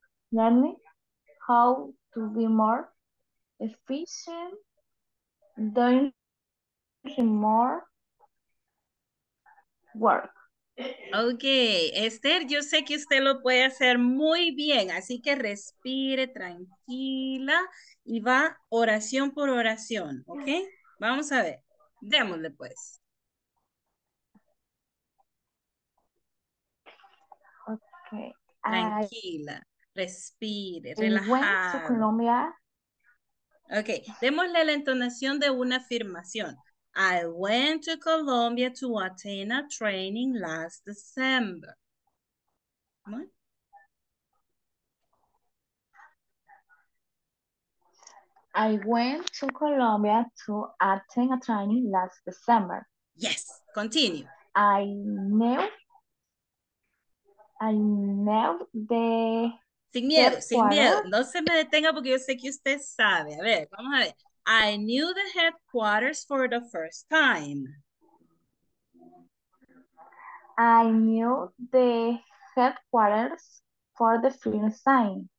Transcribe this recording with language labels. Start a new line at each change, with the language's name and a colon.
English: learning how to be more efficient doing more work.
Spanish: Ok, Esther, yo sé que usted lo puede hacer muy bien, así que respire tranquila y va oración por oración, ¿ok? Vamos a ver, démosle pues. Ok. Tranquila, respire, relajada.
English: ¿Went to Colombia? Ok,
Spanish: démosle la entonación de una afirmación.
English: I went to Colombia to attend a training last December. Come on. I went to Colombia to attend a training last December. Yes, continue. I knew the...
Spanish: Sin miedo, sin miedo. No se me detenga porque yo sé que usted sabe. A ver, vamos a ver.
English: I knew the headquarters for the first time. I knew the headquarters for the first time.